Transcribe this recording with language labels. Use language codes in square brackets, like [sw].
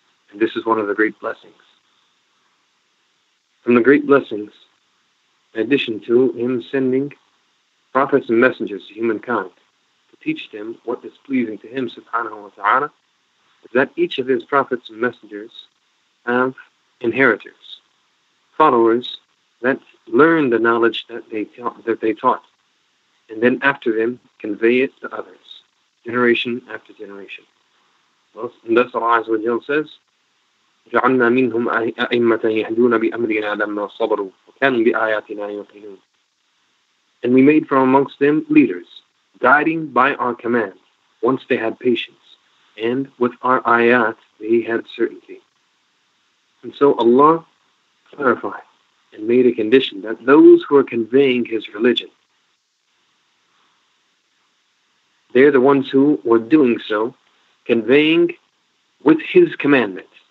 [en] And this is one of the great blessings. From the great blessings, in addition to Him sending prophets and messengers to humankind to teach them what is pleasing to Him subhanahu wa ta'ala, is that each of His prophets and messengers have inheritors, followers that learn the knowledge that they taught, and then after them convey it to others, generation after generation. Well, and thus Allah Azza wa Jalla says, [ar] جَعَلْنَا مِنْهُمْ أَئِمَّةً يَهْدُونَ بِأَمْرِنَا لَمَّا صَبَرُوا وَكَانُوا بِآيَاتِنَا يُوقِنُونَ. [en] And we made from amongst them leaders, guiding by our command, once they had patience, and with our ayat they had certainty. And so Allah clarified and made a condition that those who are conveying His religion, they're the ones who were doing so, conveying with His commandments.